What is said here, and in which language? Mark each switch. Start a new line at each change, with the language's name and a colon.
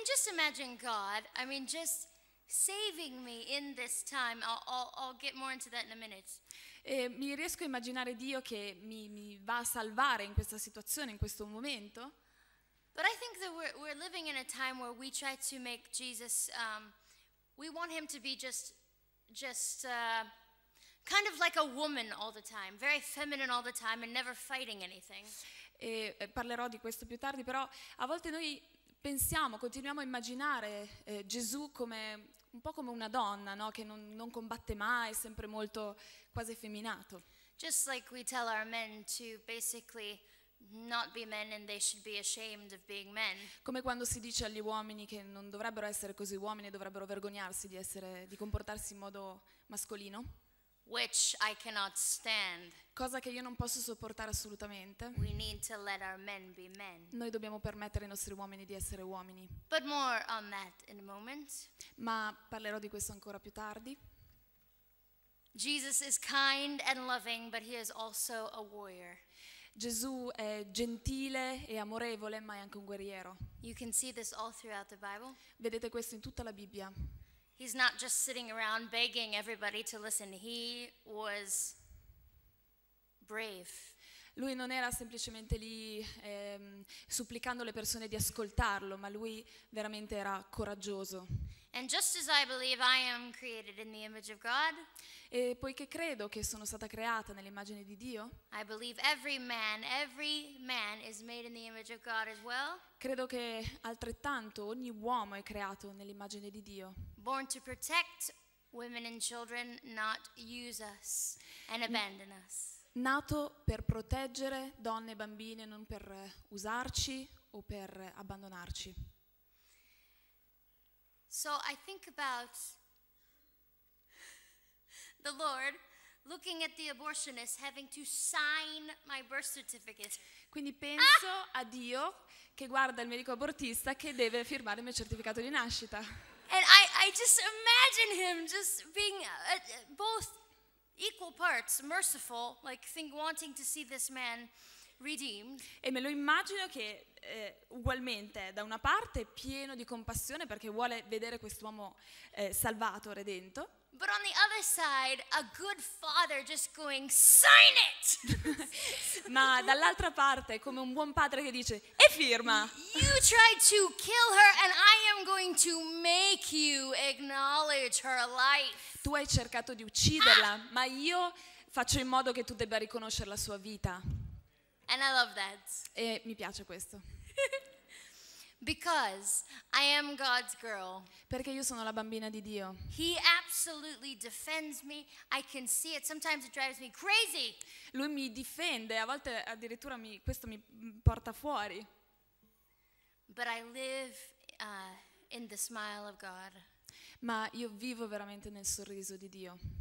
English: Imagine God, I mean, just saving me in this time. I'll get more into that in a minute.
Italian: E mi riesco a immaginare Dio che mi va a salvare in questa situazione, in questo momento.
English: But I think that we're living in a time where we try to make Jesus, we want him to be just kind of like a woman all the time, very feminine all the time and never fighting anything.
Italian: E parlerò di questo più tardi, però a volte noi pensiamo, continuiamo a immaginare Gesù come un po' come una donna, no? Che non combatte mai, sempre molto quasi effeminato.
English: Just like we tell our men to basically not be men and they should be ashamed of being men.
Italian: Come quando si dice agli uomini che non dovrebbero essere così uomini e dovrebbero vergognarsi di comportarsi in modo mascolino.
English: Which I cannot stand.
Italian: Cosa che io non posso sopportare assolutamente.
English: We need to let our men be men.
Italian: Noi dobbiamo permettere ai nostri uomini di essere uomini.
English: But more on that in a moment.
Italian: Ma parlerò di questo ancora più tardi.
English: Jesus is kind and loving, but he is also a warrior.
Italian: Gesù è gentile e amorevole, ma è anche un guerriero.
English: You can see this all throughout the Bible.
Italian: Vedete questo in tutta la Bibbia.
English: He's not just sitting around begging everybody to listen. He was brave.
Italian: Lui non era semplicemente lì supplicando le persone di ascoltarlo, ma lui veramente era coraggioso.
English: And just as I believe I am created in the image of God,
Italian: e poiché credo che sono stata creata nell'immagine di Dio,
English: I believe every man is made in the image of God as well.
Italian: Credo che altrettanto ogni uomo è creato nell'immagine di Dio.
English: Born to protect women and children, not use us and abandon us.
Italian: Nato per proteggere donne e bambine, non per usarci o per abbandonarci.
English: So I think about the Lord looking at the abortionist having to sign my birth certificate.
Italian: Quindi penso a Dio che guarda il medico abortista che deve firmare il mio certificato di nascita.
English: And I just imagine him just being both equal parts merciful, like wanting to see this man redeemed.
Italian: E me lo immagino che ugualmente da una parte pieno di compassione perché vuole vedere quest'uomo salvato, redento.
English: But on the other side, a good father just going sign it.
Italian: Ma dall'altra parte è come un buon padre che dice e firma.
English: You tried to kill her and I am going to make you acknowledge her life.
Italian: Tu hai cercato di ucciderla, ma io faccio in modo che tu debba riconoscere la sua vita.
English: And I love that.
Italian: E mi piace questo.
English: Because I am God's girl.
Italian: Perché io sono la bambina di Dio.
English: He absolutely defends me. I can see it. Sometimes it drives me crazy.
Italian: Lui mi difende, a volte addirittura questo mi porta fuori.
English: But I live in the smile of God.
Italian: Ma io vivo veramente nel sorriso di Dio.